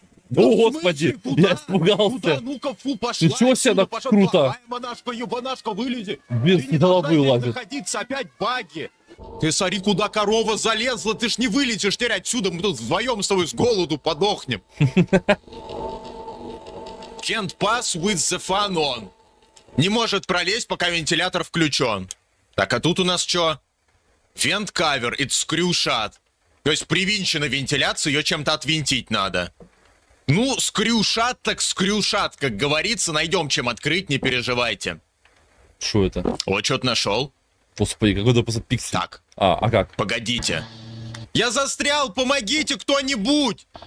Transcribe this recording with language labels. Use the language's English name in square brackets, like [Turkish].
[Russian] Ну, господи, куда? Я испугался. Куда? Ну-ка, фу, пошла. Ничего себе, так пошла. Круто. Плохая монашка, ебанашка, вылези. Без головы лазит. Находиться, опять баги. Ты смотри, куда корова залезла. Ты ж не вылетишь теперь отсюда. Мы тут вдвоем с тобой с голоду подохнем. [English] Can't pass with the fan on. [Russian] Не может пролезть, пока вентилятор включен. Так, а тут у нас что? [English] Vent cover, it's screw shot. [Russian] То есть привинчена вентиляция, ее чем-то отвинтить надо. Ну, скрюшат так скрюшат, как говорится, найдем чем открыть, не переживайте. Что это? Вот что-то нашел. Господи, какой-то просто пиксель. Так. А как? Погодите. Я застрял, помогите кто-нибудь!